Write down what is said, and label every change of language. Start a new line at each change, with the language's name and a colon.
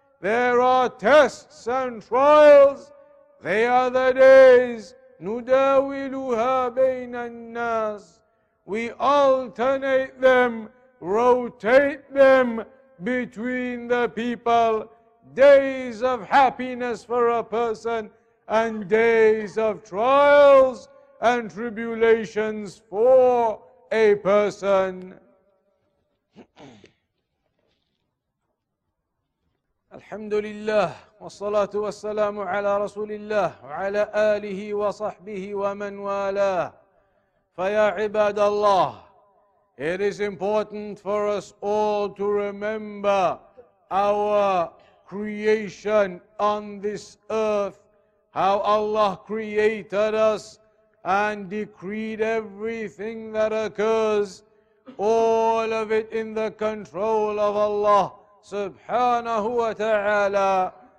English: There are tests and trials. They are the days,
Arabic: نُدَاوِلُهَا بَيْنَ النَّاسِ,
English: we alternate them, rotate them between the people, days of happiness for a person and days of trials and tribulations for a person.
Arabic: الحمد لله والصلاة والسلام على رسول الله وعلى آله وصحبه ومن والاه. فيا عباد الله,
English: it is important for us all to remember our creation on this earth, how Allah created us and decreed everything that occurs, all of it in the control of Allah subhanahu wa ta'ala.